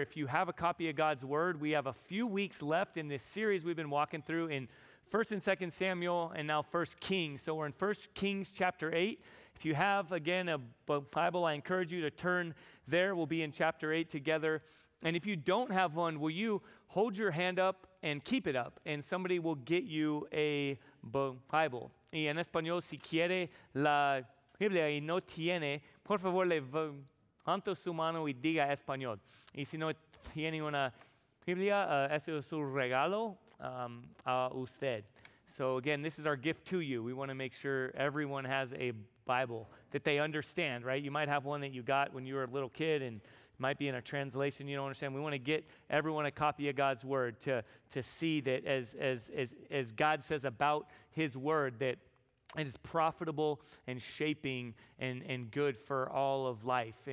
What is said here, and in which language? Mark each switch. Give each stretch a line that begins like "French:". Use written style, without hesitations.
English: If you have a copy of God's Word, we have a few weeks left in this series we've been walking through in 1 and 2 Samuel and now 1 Kings. So we're in 1 Kings chapter 8. If you have, again, a Bible, I encourage you to turn there. We'll be in chapter 8 together. And if you don't have one, will you hold your hand up and keep it up, and somebody will get you a Bible.
Spanish: Y en español, si quiere la Biblia y no tiene, por favor, levante su mano y diga español. Y si no tiene una Biblia, ese es su regalo a usted.
English: So again, this is our gift to you. We want to make sure everyone has a Bible that they understand, right? You might have one that you got when you were a little kid and might be in a translation you don't understand. We want to get everyone a copy of God's Word to see that as God says about His Word, that it is profitable and shaping and good for all of life.